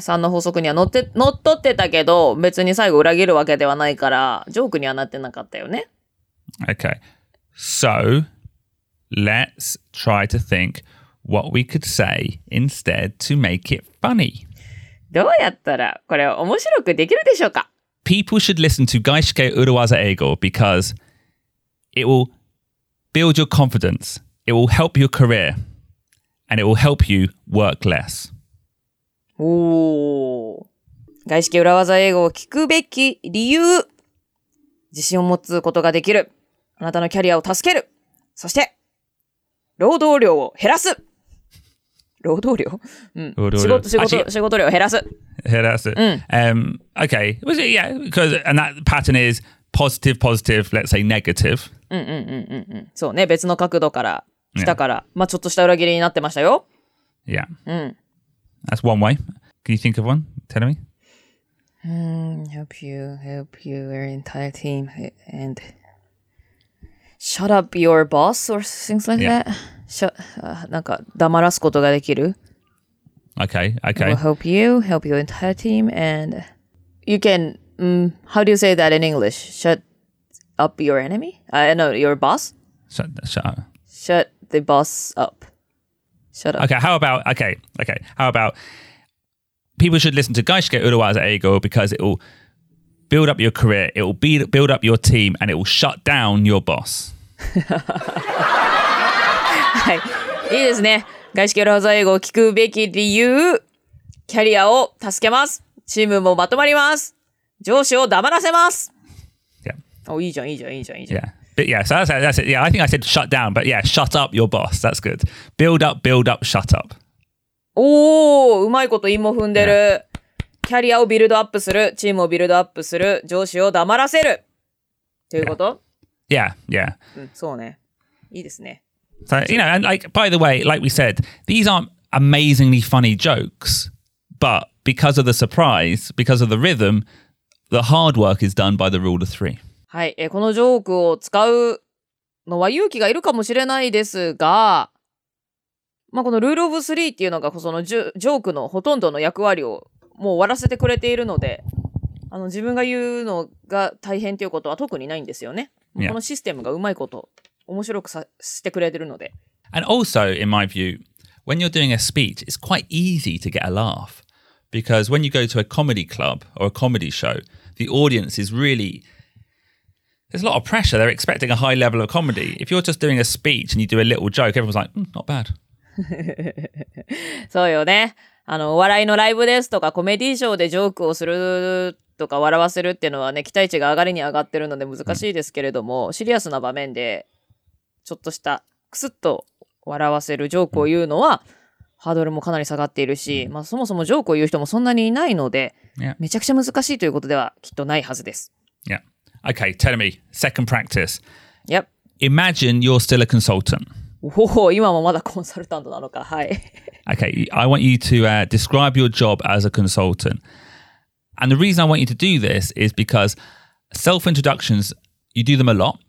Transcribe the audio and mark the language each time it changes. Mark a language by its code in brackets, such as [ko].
[ja] 3の法則には乗っ取ってたけど、別に最後裏切るわけではないから、ジョークにはなってなかったよね。 [en] Okay. So, let's try to think what we could say instead to make it funny. [ja] どうやったらこれ面白くできるでしょうか? [en] People should listen to Gaishike Urowaza Eigo because it will build your confidence, it will help your career, and it will help you work less. [ja] おお、外資系裏技英語を聞くべき理由、自信を持つことができる、あなたのキャリアを助ける、そして労働量を減らす、労働量、仕事量を減らす、 [en] Okay, was it? Yeah, because and that pattern is positive, positive. Let's say negative. [ja] そうね、別の角度から来たから、まあちょっとした裏切りになってましたよ。 [en] Yeah. That's one way. Can you think of one? Tell me. Help you, your entire team, and shut up your boss or things like that. [ja] なんか黙らすことができる。 [en] Okay. We'll help your entire team, and you can, how do you say that in English? Shut up your enemy? No, your boss? Shut up. Shut the boss up. Shut up. Okay, how about people should listen to Gaishike Urowaza Eigo because it will build up your career, it will build up your team, and it will shut down your boss. [ja] はい、いいですね。Gaishike Urowaza Eigo を聞くべき理由、キャリアを助けます。チームもまとまります。上司を黙らせます。 [en] Yeah. [ja] Oh, いいじゃん。 [en] Yeah. But yeah, so that's it. Yeah, I think I said shut down, but yeah, shut up your boss. That's good. Build up, shut up. [ja] Oh, うまいこと韻も踏んでる。キャリアをビルドアップする、チームをビルドアップする、上司を黙らせる。ということ? [en] Yeah. [ja] そうね。いいですね。 [en] So, you know, and like, by the way, like we said, these aren't amazingly funny jokes, but because of the surprise, because of the rhythm, the hard work is done by the rule of three. [ja] はい、このジョークを使うのは勇気がいるかもしれないですが、まあ、このルールオブスリーっていうのがその ジョークのほとんどの役割をもう終わらせてくれているので、自分が言うのが大変ということは特にないんですよね。 [en] Yeah. [ja] このシステムがうまいこと面白くさせてくれているので。 [en] And also, in my view, when you're doing a speech, it's quite easy to get a laugh. Because when you go to a comedy club or a comedy show, the audience is reallyThere's a lot of pressure. They're expecting a high level of comedy. If you're just doing a speech and you do a little joke, everyone's like, not bad. [ja] そうよね。笑いのライブですとかコメディーショーでジョークをするとか笑わせるっていうのはね、期待値が上がりに上がってるので難しいですけれども、シリアスな場面でちょっとしたクスッと笑わせるジョークを言うのは、ハードルもかなり下がっているし、まあそもそもジョークを言う人もそんなにいないので、 [en] yeah. [ja] めちゃくちゃ難しいということではきっとないはずです。 [en] Yeah. Okay, tell me, second practice. Yep. Imagine you're still a consultant. [ja] Oh, 今もまだコンサルタントなのか。はい。 [en] Okay, I want you to describe your job as a consultant. And the reason I want you to do this is because self-introductions, you do them a lot.